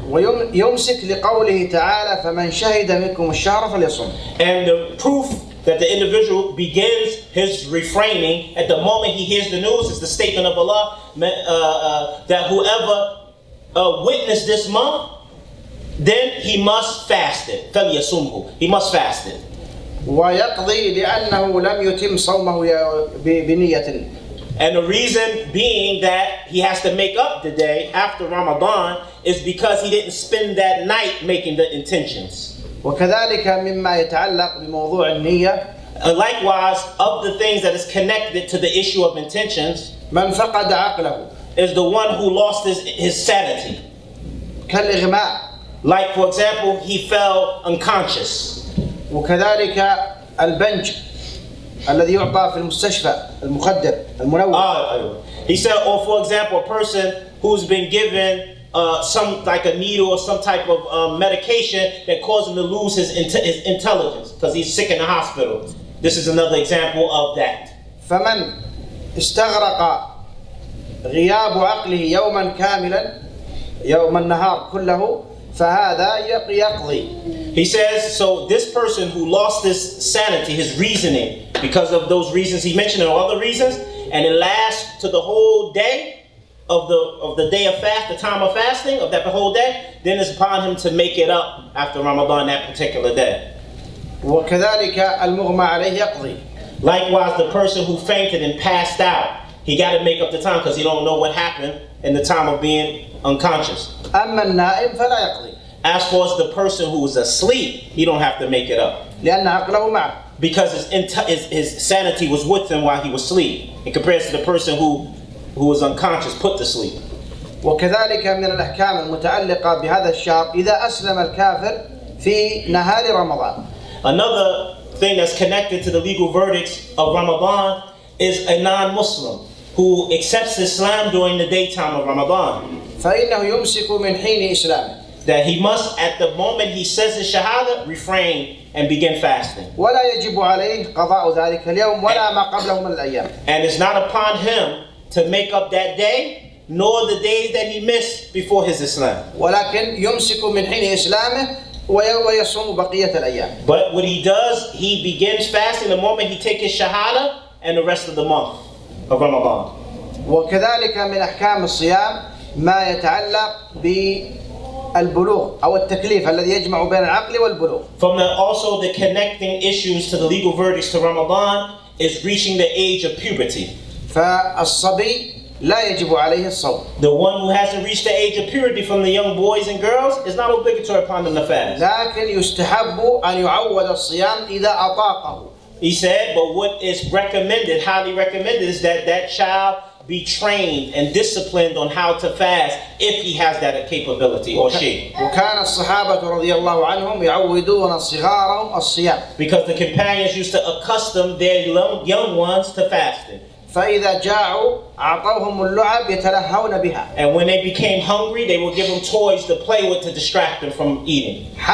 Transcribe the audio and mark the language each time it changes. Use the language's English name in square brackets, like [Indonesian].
[Arabic] ويمسك لقوله تعالى فمن شهد منكم الشهر فليصم. [English] And the proof that the individual begins his refraining at the moment he hears the news is the statement of Allah that whoever witnessed this month, then he must fast it. [Arabic] فليصمه. [English] He must fast it. [Arabic] ويقضي لأنه لم يتم صومه بنية. [English] And the reason being that he has to make up the day after Ramadan is because he didn't spend that night making the intentions. [Arabic] وكذلك مما يتعلق بموضوع النية. [English] Likewise, of the things that is connected to the issue of intentions, [Arabic] من فقد عقله. [English] Is the one who lost his sanity. [Arabic] كالإغماء. [English] Like, for example, he fell unconscious. [Arabic] وكذلك البنج. الذي يعطى في المستشفى المخدر المنوم. [English] He said, or for example, a person who's been given some like a needle or some type of medication that caused him to lose his intelligence because he's sick in the hospital. This is another example of that. [Arabic] فمن استغرق غياب عقله يوما كاملا يوم النهار كله فهذا يقضي. [English] He says, so this person who lost his sanity, his reasoning, because of those reasons he mentioned and other reasons, and it lasts to the whole day of the day of fast, the time of fasting of that whole day, then it's upon him to make it up after Ramadan that particular day. [Arabic] وكذلك المغمى عليه يقضي. [English] Likewise, the person who fainted and passed out, he got to make up the time because he don't know what happened in the time of being unconscious. [Arabic] أما النائم فلا يقضي. [English] As for the person who is asleep, he don't have to make it up. [Arabic] لأن عقله معه. [English] Because his sanity was with him while he was asleep, in comparison to the person who was unconscious, put to sleep. [Arabic] وكذلك من الأحكام المتعلقة بهذا الشهر إذا أسلم الكافر في نهار رمضان. [English] Another thing that's connected to the legal verdicts of Ramadan is a non-Muslim who accepts Islam during the daytime of Ramadan. [Arabic] فإنه يمسك من حين إسلامه. [English] That he must, at the moment he says the shahada, refrain and begin fasting. [Arabic] ولا يجب عليه قضاء ذلك اليوم ولا ما قبله من الأيام. [English] And it's not upon him to make up that day, nor the days that he missed before his Islam. [Arabic] ولكن يمسك من حين إسلامه ويصوم بقية الأيام. [English] But what he does, he begins fasting the moment he takes his shahada and the rest of the month of Ramadan. [Arabic] وكذلك من أحكام الصيام ما يتعلق ب البلوغ أو التكليف الذي يجمع بين العقل والبلوغ. [English] From the, also the connecting issues to the legal verdicts to Ramadan is reaching the age of puberty. [Arabic] فالصبي لا يجب عليه الصوم. [English] The one who hasn't reached the age of purity from the young boys and girls is not obligatory upon them to fast. [Arabic] لكن يستحب أن يعود الصيام إذا أطاقه. [English] He said, but what is recommended, highly recommended, is that child be trained and disciplined on how to fast if he has that capability or she. [Arabic] وكان الصحابة رضي الله عنهم يعودون صغارهم الصيام. [English] Because the companions used to accustom their young ones to fasting. [Arabic] فإذا جاعوا أعطوهم اللعب يتلهون بها. [English] And when they became hungry, they would give them toys to play with to distract them from eating.